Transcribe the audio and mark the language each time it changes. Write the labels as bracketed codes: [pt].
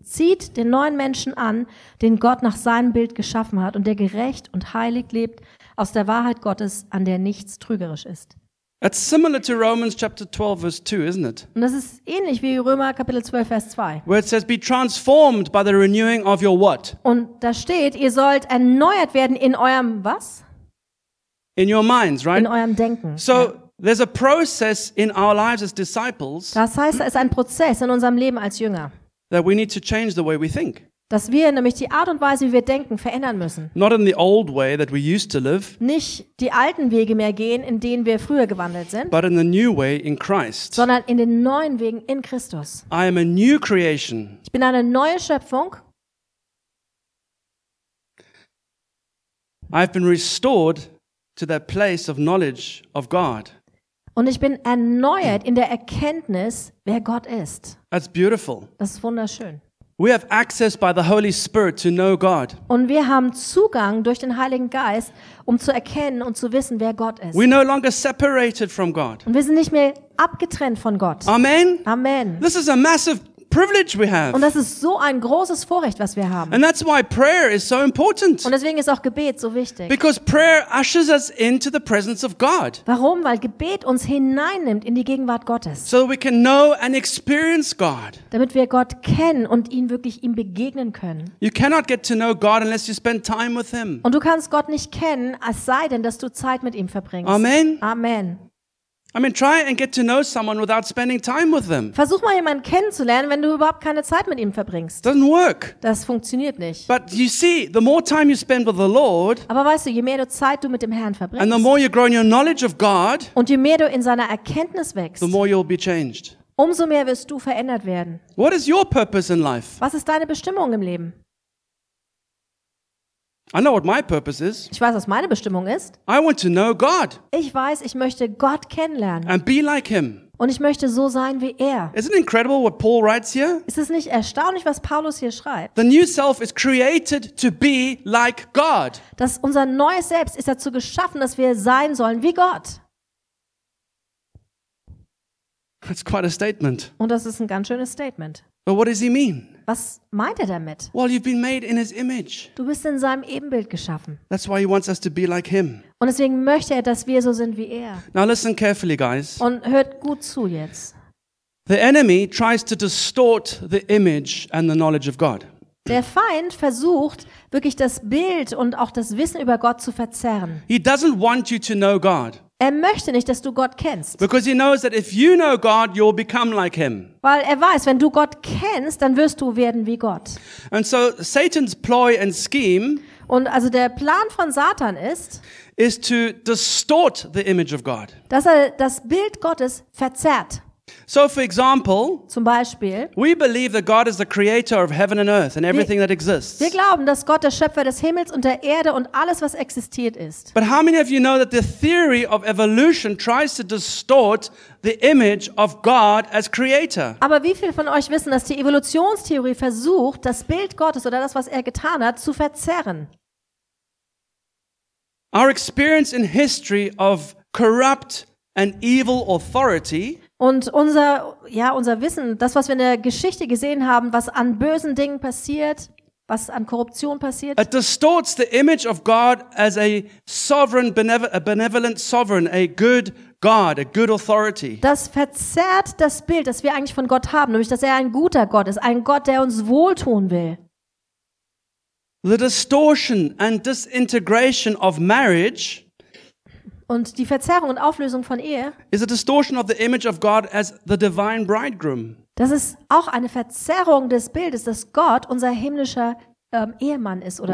[de] Zieht den neuen Menschen an, den Gott nach seinem Bild geschaffen hat und der gerecht und heilig lebt aus der Wahrheit Gottes, an der nichts trügerisch ist. [en] It's similar to Romans chapter 12 verse 2, isn't it? [de] Und das ist ähnlich wie Römer Kapitel 12 Vers 2. [en] Where it says be transformed by the renewing of your what? [de] Und da steht, ihr sollt erneuert werden in eurem was? [en] In your minds, right? [de] In eurem Denken. So ja. [en] There's a process in our lives as disciples. [de] Das heißt, es ist ein Prozess in unserem Leben als Jünger. [en] That we need to change the way we think. [de] Dass wir nämlich die Art und Weise, wie wir denken, verändern müssen. [en] Not in the old way that we used to live. [de] Nicht die alten Wege mehr gehen, in denen wir früher gewandelt sind. [en] But in the new way in Christ. [de] Sondern in den neuen Wegen in Christus. [en] I am a new creation. [de] Ich bin eine neue Schöpfung. [en] I've been restored to that place of knowledge of God. [de] Und ich bin erneuert in der Erkenntnis, wer Gott ist. [en] That's beautiful. [de] Das ist wunderschön. [en] We have access by the Holy Spirit to know God. [de] Und wir haben Zugang durch den Heiligen Geist, um zu erkennen und zu wissen, wer Gott ist. [en] We no longer separated from God. [de] Und wir sind nicht mehr abgetrennt von Gott. [en] Amen. [de] Amen. [en] This is a massive privilege we have. [de] Und das ist so ein großes Vorrecht, was wir haben. [en] And that's why prayer is so important. [de] Und deswegen ist auch Gebet so wichtig. [en] Because prayer ushers us into the presence of God. [de] Warum? Weil Gebet uns hineinnimmt in die Gegenwart Gottes. [en] So we can know and experience God. [de] Damit wir Gott kennen und ihn wirklich ihm begegnen können. [en] You cannot get to know God unless you spend time with him. [de] Und du kannst Gott nicht kennen, es sei denn, dass du Zeit mit ihm verbringst. [en] Amen. [de] Amen. [en] I mean, try and get to know someone without spending time with them. [de] Versuch mal jemanden kennenzulernen, wenn du überhaupt keine Zeit mit ihm verbringst. [en] Doesn't work. [de] Das funktioniert nicht. [en] But you see, the more time you spend with the Lord, [de] aber weißt du, je mehr du Zeit du mit dem Herrn verbringst, [en] and the more you grow in your knowledge of God, [de] und je mehr du in seiner Erkenntnis wächst, [en] the more you'll be changed. [de] Umso mehr wirst du verändert werden. [en] What is your purpose in life? [de] Was ist deine Bestimmung im Leben? [en] I know what my purpose is. [de] Ich weiß, was meine Bestimmung ist. [en] I want to know God. [de] Ich weiß, ich möchte Gott kennenlernen. [en] And be like him. [de] Und ich möchte so sein wie er. [en] Isn't it incredible what Paul writes here? [de] Ist es nicht erstaunlich, was Paulus hier schreibt? [en] The new self is created to be like God. [de] Dass unser neues Selbst ist dazu geschaffen, dass wir sein sollen wie Gott. [en] That's quite a statement. [de] Und das ist ein ganz schönes Statement. [en] But what does he mean? [de] Was meint er damit? [en] Well, you've been made in his image. [de] Du bist in seinem Ebenbild geschaffen. [en] That's why he wants us to be like him. [de] Und deswegen möchte er, dass wir so sind wie er. [en] Now listen carefully, guys. [de] Und hört gut zu jetzt. [en] The enemy tries to distort the image and the knowledge of God. [de] Der Feind versucht wirklich das Bild und auch das Wissen über Gott zu verzerren. [en] He doesn't want you to know God. [de] Er möchte nicht, dass du Gott kennst. [en] Because he knows that if you know God, you'll become like him. [de] Weil er weiß, wenn du Gott kennst, dann wirst du werden wie Gott. [en] And so Satan's ploy and scheme, [de] und also der Plan von Satan ist, [en] is to distort the image of God. [de] Dass er das Bild Gottes verzerrt. [en] So for example, [de] zum Beispiel, [en] we believe that God is the creator of heaven and earth and everything that exists. [de] Wir glauben, dass Gott der Schöpfer des Himmels und der Erde und alles, was existiert, ist. [en] But how many of you know that the theory of evolution tries to distort the image of God as creator? [de] Aber wie viele von euch wissen, dass die Evolutionstheorie versucht, das Bild Gottes oder das, was er getan hat, zu verzerren? [en] Our experience in history of corrupt and evil authority. [de] Und unser Wissen, das, was wir in der Geschichte gesehen haben, was an bösen Dingen passiert, was an Korruption passiert. [en] It distorts the image of God as a sovereign, a benevolent sovereign, a good God, a good authority. [de] Das verzerrt das Bild, das wir eigentlich von Gott haben, nämlich dass er ein guter Gott ist, ein Gott, der uns wohltun will. [en] The distortion and disintegration of marriage. [de] Und die Verzerrung und Auflösung von Ehe. [en] Is a distortion of the image of God as the divine bridegroom. [de] Das ist auch eine Verzerrung des Bildes, dass Gott unser himmlischer Ehemann ist oder